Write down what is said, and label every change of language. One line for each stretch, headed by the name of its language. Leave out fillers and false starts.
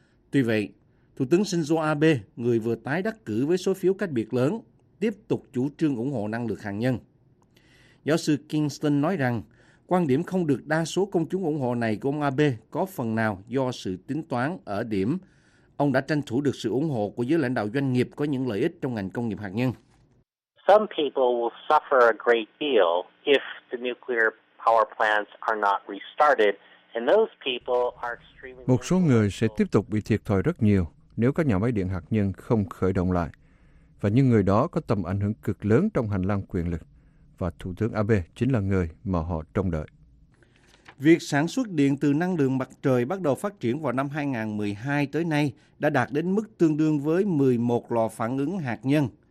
Vietnamese: Tuy vậy, Thủ tướng Shinzo Abe, người vừa tái đắc cử với số phiếu cách biệt lớn, tiếp tục chủ trương ủng hộ năng lượng hạt nhân. Giáo sư Kingston nói rằng, quan điểm không được đa số công chúng ủng hộ này của ông Abe có phần nào do sự tính toán ở điểm ông đã tranh thủ được sự ủng hộ của giới lãnh đạo doanh nghiệp có những lợi ích trong ngành công nghiệp hạt nhân.
English: Some people will suffer a great deal if the nuclear power plants are not restarted, and those people are extremely.
Vietnamese: Một số người sẽ tiếp tục bị thiệt thòi rất nhiều nếu các nhà máy điện hạt nhân không khởi động lại, và những người đó có tầm ảnh hưởng cực lớn trong hành lang quyền lực, và Thủ tướng Abe chính là người mà họ trông đợi. Việc sản xuất điện từ năng lượng mặt trời bắt đầu phát triển vào năm 2012 tới nay đã đạt đến mức tương đương với 11 lò phản ứng hạt nhân.